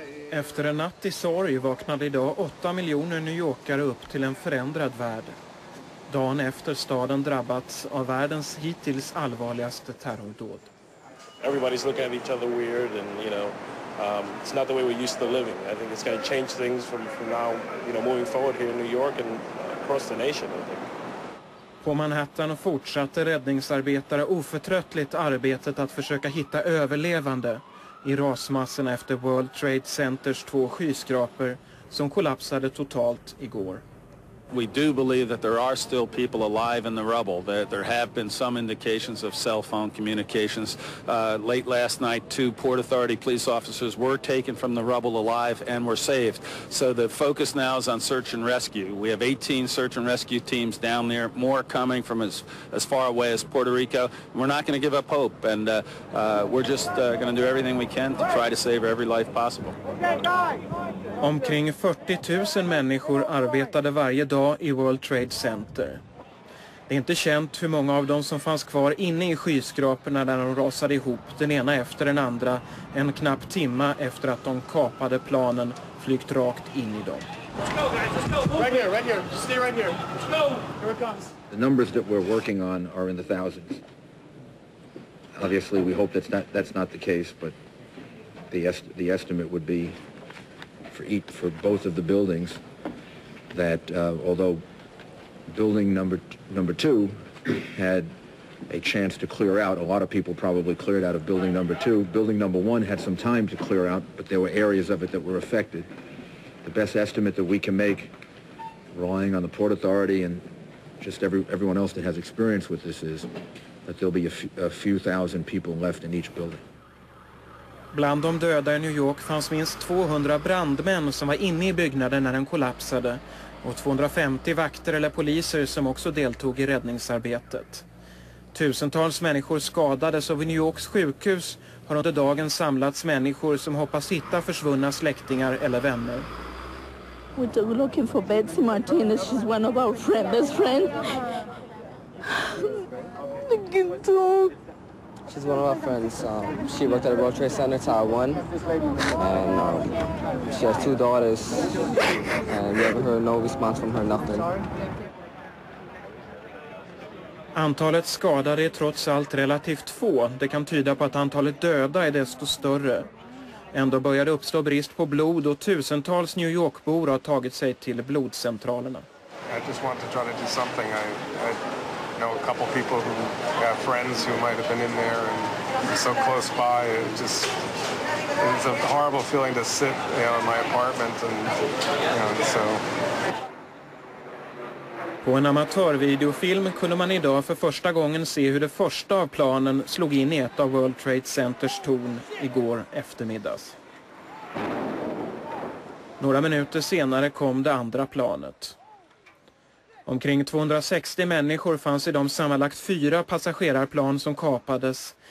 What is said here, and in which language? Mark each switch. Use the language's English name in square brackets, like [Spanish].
[Swedish] Efter en natt i sorg vaknade idag 8 miljoner New Yorkare upp till en förändrad värld. Dagen efter staden drabbats av världens hittills allvarligaste terrordåd. [English] Everybody's looking at each other weird and you know it's not the way we're used to living. I think it's going to change things from now, you know, moving forward here in New York and across the nation, I think. [Swedish] På Manhattan fortsatte räddningsarbetare oförtröttligt arbetet att försöka hitta överlevande i rasmassorna efter World Trade Centers två skyskrapor som kollapsade totalt igår. [English] We do believe that there are still people alive in the rubble. There have been some indications of cell phone communications. Late last night, two Port Authority police officers were taken from the rubble alive and were saved. So the focus now is on search and rescue. We have 18 search and rescue teams down there, more coming from as far away as Puerto Rico. We're not going to give up hope, and we're just going to do everything we can to try to save every life possible. [Swedish] Omkring 40 000 människor arbetade varje dag i World Trade Center. Det är inte känt hur många av dem som fanns kvar inne i skyskraporna när de rasade ihop den ena efter den andra en knapp timma efter att de kapade planen flygt rakt in i dem. [English] The numbers that we're working on are in the thousands. Obviously we hope that's not the case, but the estimate would be for both of the buildings that although building number two had a chance to clear out, a lot of people probably cleared out of building number two. Building number one had some time to clear out, but there were areas of it that were affected. The best estimate that we can make, relying on the Port Authority and just everyone else that has experience with this, is that there'll be a few thousand people left in each building. [Swedish] Bland de döda i New York fanns minst 200 brandmän som var inne i byggnaden när den kollapsade och 250 vakter eller poliser som också deltog i räddningsarbetet. Tusentals människor skadades och vid New Yorks sjukhus har under dagen samlats människor som hoppas hitta försvunna släktingar eller vänner. [English] We're still looking for Betsy Martinez. She's one of our friend's friend. I can talk. She's one of our friends. She worked at a World Trade Center Tower 1. And she has two daughters. And we haven't heard no response from her, nothing. [Swedish] Antalet skadade är trots allt relativt få. Det kan tyda på att antalet döda är desto större. Ändå började uppstå brist på blod och tusentals New York-bor har tagit sig till blodcentralerna. [English] I just want to try to do something. I know a couple people who have friends who might have been in there and so close by. It's a horrible feeling to sit, you know, in my apartment and so. [Swedish] På en amatörvideofilm kunde man idag för första gången se hur det första av planen slog in i ett av World Trade Centers torn igår eftermiddags. Några minuter senare kom det andra planet. Omkring 260 människor fanns i de sammanlagt fyra passagerarplan som kapades.